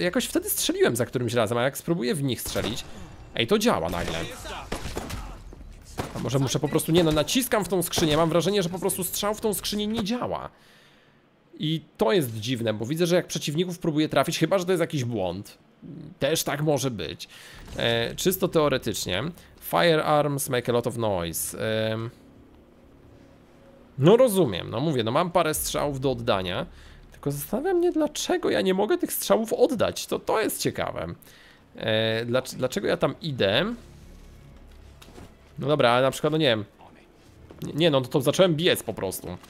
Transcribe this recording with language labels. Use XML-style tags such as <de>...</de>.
<pl>Jakoś wtedy strzeliłem za którymś razem, a jak spróbuję w nich strzelić... Ej, to działa nagle. A może muszę po prostu... Nie no, naciskam w tą skrzynię, mam wrażenie, że po prostu strzał w tą skrzynię nie działa. I to jest dziwne, bo widzę, że jak przeciwników próbuję trafić, chyba że to jest jakiś błąd. Też tak może być. Czysto teoretycznie.</pl> <en>Firearms make a lot of noise.</en> <pl>No rozumiem, no mówię, no mam parę strzałów do oddania. Tylko zastanawia mnie, dlaczego ja nie mogę tych strzałów oddać. To jest ciekawe. Dlaczego ja tam idę? No dobra, ale na przykład, no nie wiem. Nie, no to zacząłem biec po prostu.</pl>